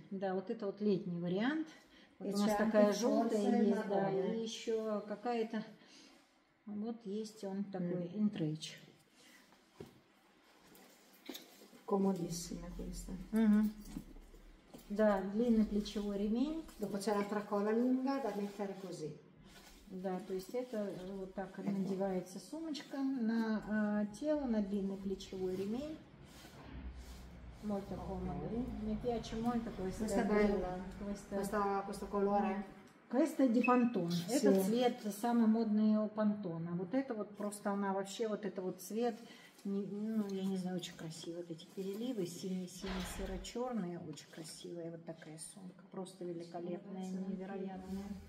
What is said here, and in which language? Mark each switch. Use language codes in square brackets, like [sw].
[ru] Да, вот это вот летний вариант. Вот у нас такая желтая есть, да, и еще какая-то, вот есть он такой, интреч. [it] Комодиссимо questa. [ru] Да, длинный плечевой ремень. [it] Dopo c'è l'altra cola lunga da mettere così. [ru] Да, то есть это вот так надевается сумочка на тело, на длинный плечевой ремень. [it] Molto comodo. Mi piace molto questa bella. Questo colore. Questo è di Pantone. Sì. [ru] Этот цвет самый модный у Pantone. Вот это вот просто она вообще вот это вот цвет, ну я не знаю, очень красиво. Вот эти переливы синий-серо-черные, очень красивая вот такая сумка, просто великолепная, невероятная.